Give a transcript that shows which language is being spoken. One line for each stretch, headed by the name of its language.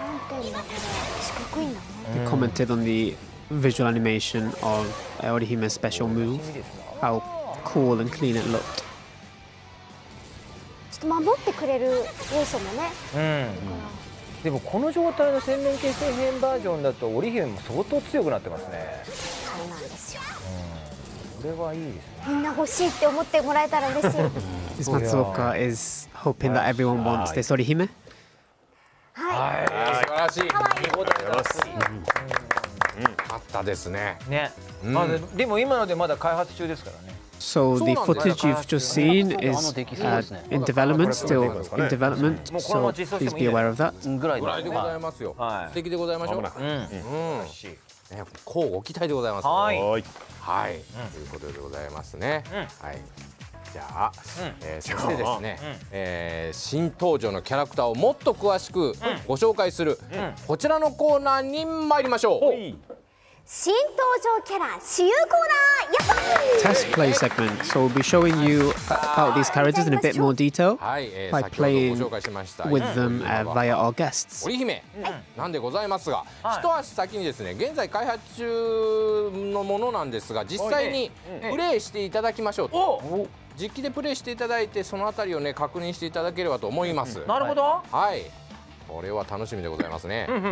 English: He commented on the visual animation of Orihime's special move, how cool and clean it looked.
Japanese: ちょっと守ってくれる要素もね。でもこの状態の洗面決戦編バージョンだと Orihime も相当強くなってますね。そうなんですよ。これはいいですね。みんな欲しいって思ってもらえたら嬉しい。
English: This Matsuoka is hoping that everyone wants this Orihime.
Japanese: はい、素晴らしい。見応えだし。あったですね。ね。まあでも今のでまだ開発中ですからね。
English: So the footage you've just seen is in development, still in development. So please be aware of that.
Japanese: ぐらいでございますよ。素敵でございましょう。こうご期待でございます。はい。ということでございますね。はい。じゃあ、ですね、新登場のキャラクターをもっと詳しくご紹介するこちらのコーナーに参りましょう。新登場キャラ試遊コーナー、やったー！
English: Test play segment. So we'll be showing you about these characters in a bit more detail by playing with them via our guests.
Japanese: 織姫なんでございますが、一足先にですね、現在開発中のものなんですが、実際にプレイしていただきましょうと。実機でプレイしていただいて、そのあたりをね確認していただければと思います。なるほど。はい。これは楽しみでございますね。